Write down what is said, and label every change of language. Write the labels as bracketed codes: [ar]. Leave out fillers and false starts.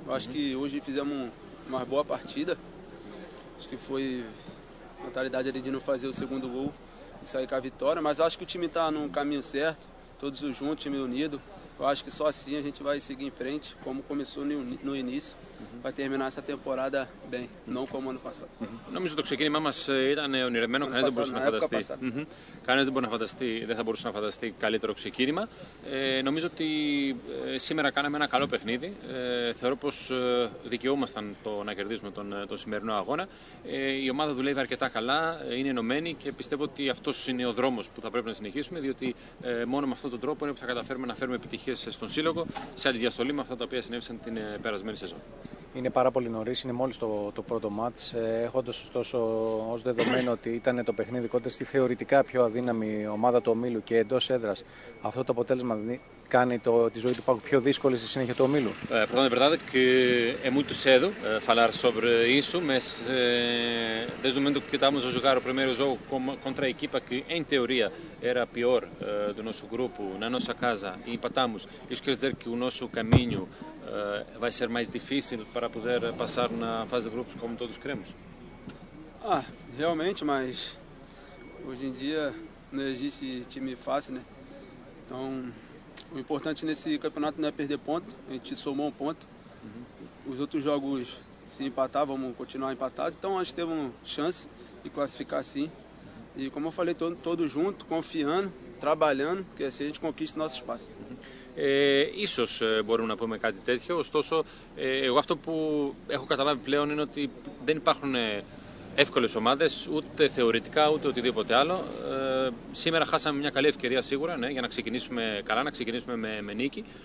[pt] Eu acho que hoje fizemos uma boa partida. Acho que foi mentalidade ali de não fazer o segundo gol e sair com a vitória. Mas eu acho que o time está no caminho certo, todos juntos, time unido. Eu acho que só assim a gente vai seguir em frente, como começou no início, para terminar essa temporada bem, não como ano passado. Não me estou chegando, mas era [el] ονειρεμένο, [pt] cara, não podia fantasiar. [el] Κανένας δεν μπορεί να φανταστεί, δεν θα μπορούσε να φανταστεί καλύτερο ξεκίνημα. Νομίζω ότι σήμερα κάναμε ένα καλό παιχνίδι. Θεωρώ πως δικαιούμασταν το να κερδίσουμε τον σημερινό αγώνα. Η ομάδα δουλεύει αρκετά καλά, είναι ενωμένη και πιστεύω ότι αυτός είναι ο δρόμος που θα πρέπει να συνεχίσουμε, διότι μόνο με αυτόν τον τρόπο είναι που θα καταφέρουμε να φέρουμε επιτυχίες στον σύλλογο, σε αντιδιαστολή με αυτά τα οποία συνέβησαν την περασμένη σεζόν. Είναι πάρα πολύ νωρίς, είναι μόλις το πρώτο μάτς. Έχοντας ωστόσο ως δεδομένο ότι ήταν το παιχνίδι κοντά στη θεωρητικά πιο αδύναμη ομάδα του ομίλου και εντός έδρας, αυτό το αποτέλεσμα κάνει τη ζωή του ΠΑΟΚ πιο δύσκολη στη συνέχεια του ομίλου? Πρώτα απ' όλα, [pt] que é muito cedo falar sobre isso, mas desde o momento que estávamos a jogar o primeiro jogo contra a equipa que, em teoria, era a pior do nosso grupo na nossa casa e empatamos, isso quer dizer que o nosso caminho vai ser mais difícil para poder passar na fase de grupos como todos queremos? Ah, realmente, mas hoje em dia não existe time fácil, né? Então, o importante nesse campeonato não é perder ponto, a gente somou um ponto. Os outros jogos, se empatar, vamos continuar empatado. Então, a gente teve uma chance de classificar sim. E como eu falei, todo junto, confiando, trabalhando, que assim a gente conquista nosso espaço. [el] Ίσως μπορούμε να πούμε κάτι τέτοιο, ωστόσο εγώ αυτό που έχω καταλάβει πλέον είναι ότι δεν υπάρχουν εύκολες ομάδες, ούτε θεωρητικά ούτε οτιδήποτε άλλο. Σήμερα χάσαμε μια καλή ευκαιρία σίγουρα, ναι, για να ξεκινήσουμε καλά, να ξεκινήσουμε με νίκη.